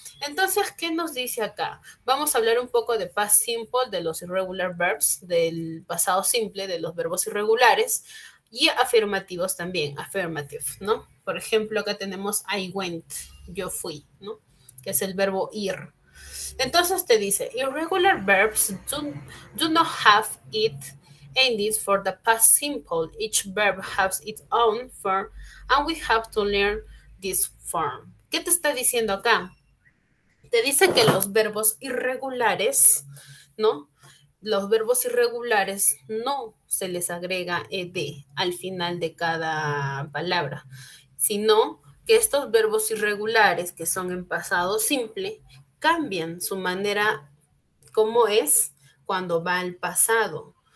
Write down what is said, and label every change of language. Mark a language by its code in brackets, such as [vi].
[es] Entonces, ¿qué nos dice acá? Vamos a hablar un poco de past simple, de los irregular verbs, del pasado simple, de los verbos irregulares, y afirmativos también, affirmative, ¿no? Por ejemplo, acá tenemos [en] I went, [es] yo fui, ¿no? Que es el verbo ir. Entonces, te dice, [en] irregular verbs do not have it ended for the past simple. Each verb has its own form, and we have to learn this form. [es] ¿Qué te está diciendo acá? Te dice que los verbos irregulares, ¿no? Los verbos irregulares no se les agrega ed al final de cada palabra, sino que estos verbos irregulares que son en pasado simple cambian su manera como es cuando va al pasado.